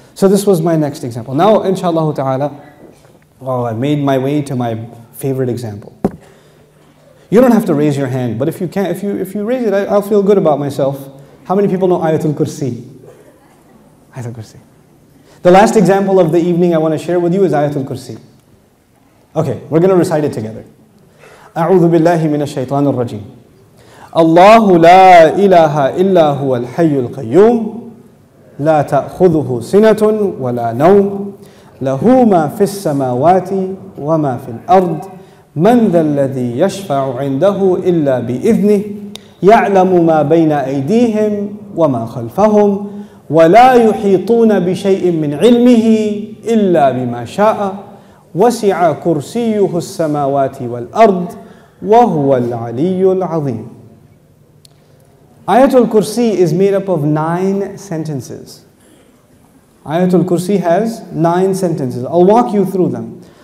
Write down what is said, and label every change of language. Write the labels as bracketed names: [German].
[English] So this was my next example. Now, inshallah ta'ala, oh, I made my way to my favorite example. You don't have to raise your hand, but if you can, if you raise it, I'll feel good about myself. How many people know Ayatul Kursi? Ayatul Kursi. The last example of the evening I want to share with you is Ayatul Kursi. Okay, we're going to recite it together. [Arabic] أعوذ بالله من الشيطان الرجيم. الله لا إله إلا هو الحي القيوم. لا تأخذه سنة ولا نوم. له ما في السماوات وما في الأرض. من ذا الذي يشفع عنده إلا بإذنه. يعلم ما بين أيديهم وما خلفهم. ولا يحيطون بشيء من علمه إلا بما شاء. وسع كرسيه السماوات والأرض. وهو العلي العظيم. [English] Ayatul Kursi is made up of 9 sentences. Ayatul Kursi has 9 sentences. I'll walk you through them.